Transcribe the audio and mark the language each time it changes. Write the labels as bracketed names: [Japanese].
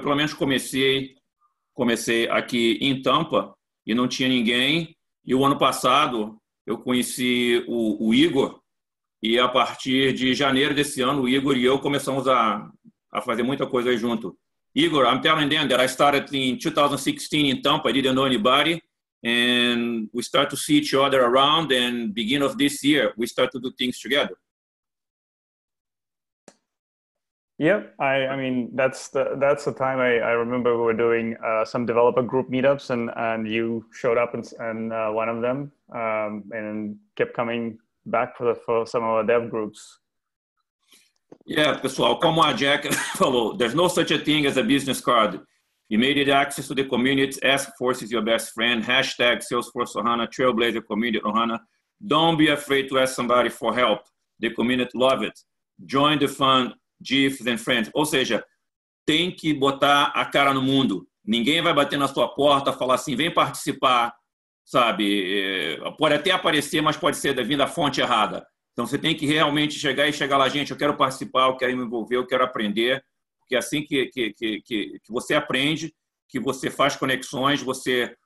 [Portuguese] Eu, pelo menos, comecei aqui em Tampa e não tinha ninguém. E o ano passado eu conheci o Igor e a partir de janeiro desse ano, o Igor e eu começamos a fazer muita coisa junto. [English] Igor, I'm telling them that I started in 2016 in Tampa. I didn't know anybody. And we start to see each other around. And beginning of this year, we start to do things together. Yeah, I mean, that's the time I remember we were doing some developer group meetups. And you showed up in one of them and kept coming back for some of our dev groups. Yeah, [Portuguese] pessoal, como a Jack falou, [English] there's no such a thing as a business card. Immediate access to the community, ask Force is your best friend, hashtag Salesforce Ohana, Trailblazer Community Ohana. Don't be afraid to ask somebody for help. The community love it. Join the fun, GIFs and friends. [Portuguese] Ou seja, tem que botar a cara no mundo. Ninguém vai bater na sua porta, falar assim, vem participar, sabe? Pode até aparecer, mas pode ser vindo da fonte errada. Então, você tem que realmente chegar lá, gente, eu quero participar, eu quero me envolver, eu quero aprender, porque é assim que você aprende, que você faz conexões, você